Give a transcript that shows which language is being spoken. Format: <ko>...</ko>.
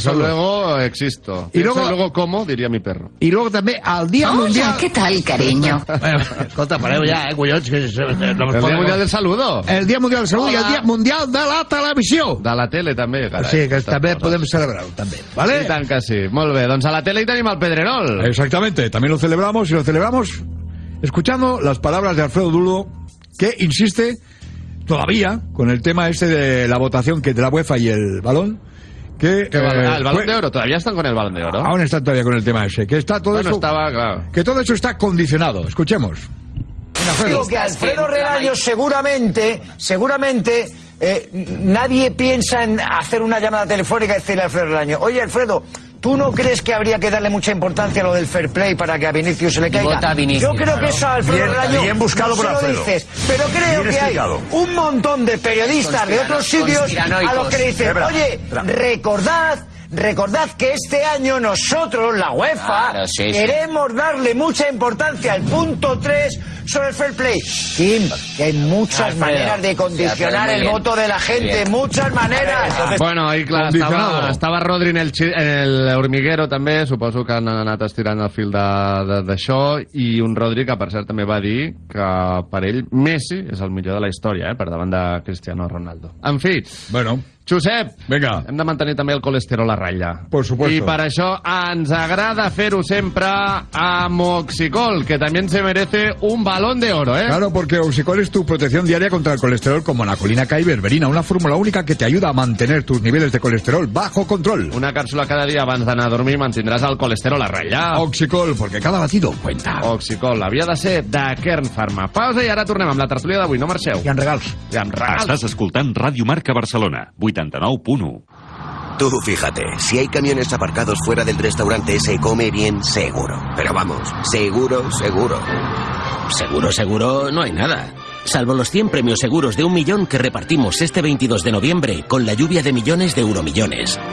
<es>Saludo. Luego existo. Luego como, diria mi perro.</es> <ca>I luego també el Dia Mundial...</ca> <es>Hola, ¿qué tal, cariño?</es> <ca>Escolta, pareu ja, collons. El Dia Mundial del Saludo. El Dia Mundial del Saludo i el Dia Mundial de la Televisió. De la tele, també. Sí, que també podem celebrar-ho, també.</ca> <es>¿Vale?</es> <ca>I tant que sí. Molt bé. Doncs a la tele hi tenim el Pedrerol.</ca> <es>Exactamente.</es> <ca>També</ca> <es>lo celebramos y lo celebramos escuchando las palabras de Alfredo Duro, que insiste... Todavía, con el tema este de la votación que de la UEFA y el balón, que... el balón de oro, todavía están con el balón de oro. Aún están todavía con el tema ese, que está todo bueno, eso... estaba, claro. Que todo eso está condicionado. Escuchemos. Digo que Alfredo Relaño seguramente, nadie piensa en hacer una llamada telefónica y decirle a Alfredo Relaño, oye, Alfredo, ¿tú no crees que habría que darle mucha importancia a lo del fair play para que a Vinicius se le caiga? Vota a Vinicius. Yo creo que eso, Alfredo Relaño, bien buscado por Alfredo. Lo dices, pero creo que hay un montón de periodistas de otros sitios a los que le dicen, oye, recordad que este año nosotros, la UEFA, queremos darle mucha importancia al punto 3 sobre el fair play. Kim, que hay muchas maneras de condicionar el voto de la gente, muchas maneras. Bueno, ahí claro, estaba Rodri en el hormiguero</es> <ca>també, suposo que han anat estirant el fil d'això, i un Rodri que, per cert, també va dir que per ell Messi és el millor de la història, per davant de Cristiano Ronaldo. En fi,</ca> <es>bueno.</es> <ca>Josep,</ca> <es>venga.</es> <ca>Hem de mantenir també el colesterol a ratlla.</ca> <es>Por supuesto.</es> <ca>I per això ens agrada fer-ho sempre amb Oxicol, que també</ca> <es>se merece un balón de oro, ¿eh? Claro, porque Oxicol es tu protección diaria contra el colesterol, como la colina K y berberina, una fórmula única que te ayuda a mantener tus niveles de colesterol bajo control.</es> <ca>Una cápsula cada dia abans d'anar a dormir mantindràs el colesterol a ratlla.</ca> <es>Oxicol, porque cada batido cuenta.</es> <ca>Oxicol, havia de ser de Kern Pharma. Pausa i ara tornem amb la tertúlia d'avui, no marxeu. I amb regals. I amb regals. Estàs escoltant Radio Marca Barcelona. 89.1.</ca> <es>Tú fíjate, si hay camiones aparcados fuera del restaurante, se come bien seguro. Pero vamos, seguro, seguro. Seguro, seguro, no hay nada. Salvo los 100 premios seguros de un millón que repartimos este 22 de noviembre con la lluvia de millones de Euromillones.</es>